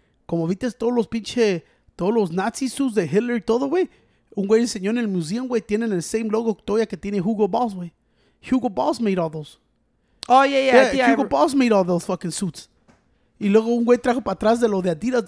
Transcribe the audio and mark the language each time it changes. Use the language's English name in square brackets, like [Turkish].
[Spanish] Como viste todos los pinche, todos los nazis sus de Hitler y todo, güey, un güey enseñó en el museo, güey, tienen el same logo todavía que tiene Hugo Boss, güey. [English] Hugo Boss made all those. Oh, yeah, yeah. Yeah, Hugo Boss made all those fucking suits. [Spanish] Y luego un güey trajo para atrás de lo de Adidas.